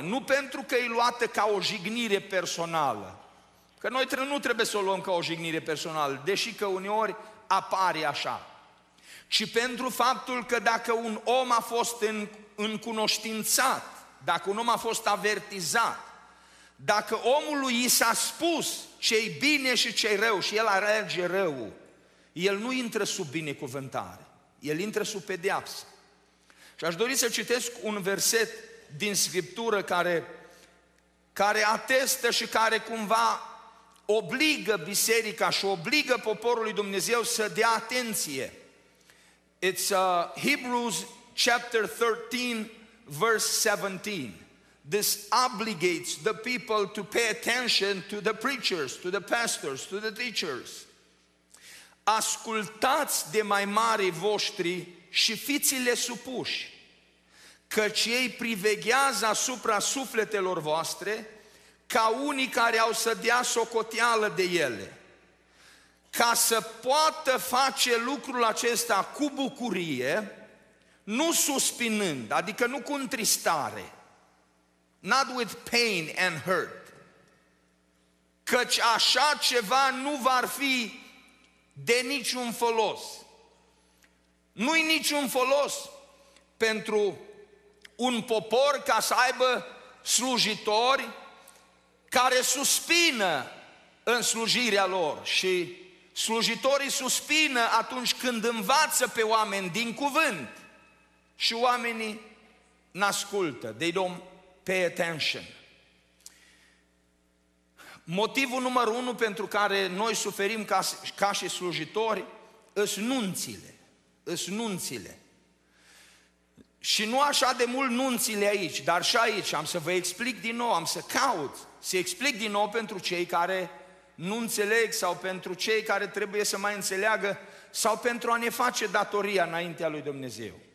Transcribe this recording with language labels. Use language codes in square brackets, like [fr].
[ro] Nu pentru că e luată ca o jignire personală, că noi nu trebuie să o luăm ca o jignire personală, deși că uneori apare așa, ci pentru faptul că dacă un om a fost încunoștințat, dacă un om a fost avertizat, dacă omului i s-a spus ce-i bine și ce-i rău și el alege rău, el nu intră sub binecuvântare, el intră sub pedeapsă. Și aș dori să citesc un verset din Scriptură care atestă și care cumva obligă biserica și obligă poporul lui Dumnezeu să dea atenție. [en] It's Hebrews chapter 13, verse 17. This obligates the people to pay attention to the preachers, to the pastors, to the teachers. [ro] Ascultați de mai mari voștri și fiți-le supuși, căci ei priveghează asupra sufletelor voastre ca unii care au să dea socoteală de ele, ca să poată face lucrul acesta cu bucurie, nu suspinând, adică nu cu întristare, [en] not with pain and hurt, [ro] căci așa ceva nu va fi de niciun folos. Nu-i niciun folos pentru un popor ca să aibă slujitori care suspină în slujirea lor, și slujitorii suspină atunci când învață pe oameni din cuvânt și oamenii n-ascultă. [en] They don't pay attention. [ro] Motivul numărul unu pentru care noi suferim ca și slujitori sunt nunțile. Și nu așa de mult nunțile aici, dar și aici. Am să vă explic din nou, să explic din nou pentru cei care nu înțeleg sau pentru cei care trebuie să mai înțeleagă sau pentru a ne face datoria înaintea lui Dumnezeu.